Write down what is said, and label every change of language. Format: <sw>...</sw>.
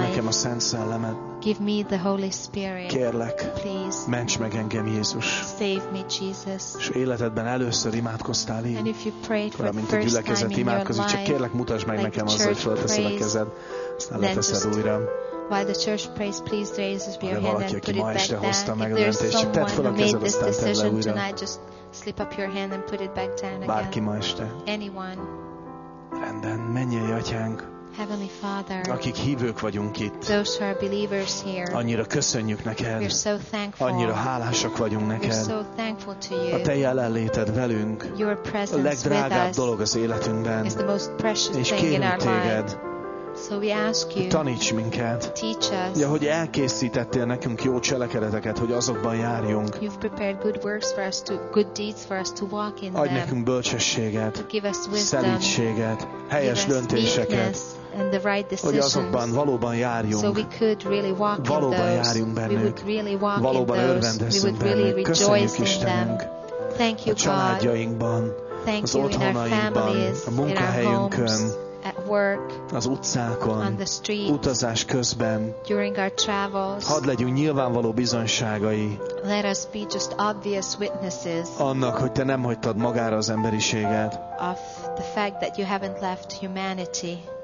<hu>Nekem a Szent Szellemet,</hu> <en>give me the Holy Spirit.</en> <hu>Kérlek,</hu> <en>please,</en> <hu>ments meg engem, Jézus,</hu> <en>save me, Jesus.</en> <hu>És életedben először imádkoztál így,</hu> <en>and if you prayed for</en> <hu>amint a gyülekezet imádkozik, csak kérlek, mutasd meg</hu> <en>like</en> <hu>nekem azzal, hogy felteszel a kezed, aztán leteszed újra.</hu> <en>While the church prays, please raise your hand and put it back down. If there's someone who made this decision</en> <hu>újra.</hu> <en>Tonight, just slip up your hand and put it back down</en> <hu>bárki</hu> <en>again.</en> <hu>Ma este.</hu> <en>Anyone.</en> <hu>Rendben, mennyei Atyánk.</hu> <en>Heavenly Father,</en> <hu>akik hívők vagyunk itt,</hu> <en>those who are believers here,</en> <hu>annyira köszönjük neked,</hu> <en>we're so thankful,</en> <hu>annyira hálásak vagyunk neked,</hu> <en>we're so thankful to you,</en> <hu>a te jelenléted velünk,</hu> <en>your presence</en> <hu>a legdrágább dolog az életünkben,</hu> <en>is the most precious</en> <hu>és</hu> <en>thing in our</en> <hu>téged,</hu> <en>life. So we ask you,</en> <hu>taníts minket,</hu> <en>teach us,</en> <hu>ja, hogy elkészítettél nekünk jó cselekedeteket, hogy azokban járjunk.</hu> <en>You've prepared good works for us to, good deeds for us to walk in.</en> <hu>Adj nekünk bölcsességet,</hu> <en>give us wisdom,</en> <hu>szelítséget, helyes</hu> <en>give us</en> <hu>döntéseket,</hu> <en>and the right decisions,</en> <hu>hogy azokban valóban járjunk,</hu> <en>so we could really walk</en> <hu>valóban</hu> <en>in those,</en> <hu>járjunk bennük,</hu> <en>we would really walk</en> <hu>valóban</hu> <en>in those,</en> <hu>örvendezzünk</hu> <en>we would really</en> <hu>bennük. Köszönjük Istenünk</hu> <en>thank you,</en> <hu>a családjainkban,</hu> <en>thank</en> <hu>az otthonainkban, a munkahelyünkön,</hu> <en>at work,</en> <hu>az utcákon,</hu> <en>on the street,</en> <hu>utazás közben,</hu> <en>during our travels,</en> <hu>hadd legyünk nyilvánvaló bizonyságai,</hu> <en>let us be just obvious witnesses,</en> <hu>annak, hogy te nem hagytad magára az emberiséget,</hu> <en>of the fact that you haven't left humanity,</en>